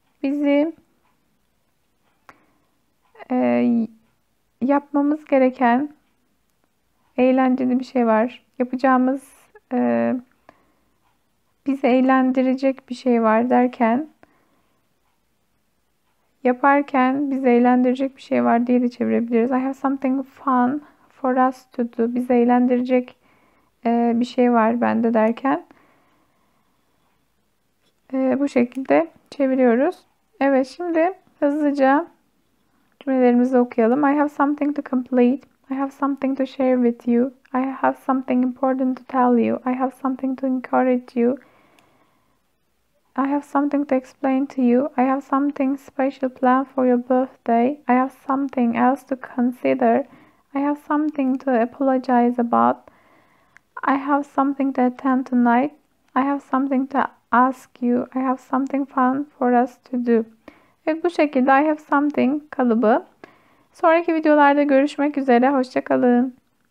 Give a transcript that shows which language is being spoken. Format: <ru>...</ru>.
<tr>Bizim yapmamız gereken eğlenceli bir şey var. Yapacağımız bizi eğlendirecek bir şey var derken yaparken bizi eğlendirecek bir şey var diye de çevirebiliriz.</tr> <en>I have something fun for us to do.</en> <tr>Bizi eğlendirecek bir şey var bende derken bu şekilde çeviriyoruz. Evet, şimdi hızlıca cümlelerimizi okuyalım.</tr> <en>I have something to complete. I have something to share with you. I have something important to tell you. I have something to encourage you. I have something to explain to you. I have something special planned for your birthday. I have something else to consider. I have something to apologize about. I have something to attend tonight. I have something to ask you. I have something fun for us to do.</en> <tr>Evet, bu şekilde</tr> <en>I have something</en> <tr>kalıbı. Sonraki videolarda görüşmek üzere. Hoşça kalın.</tr>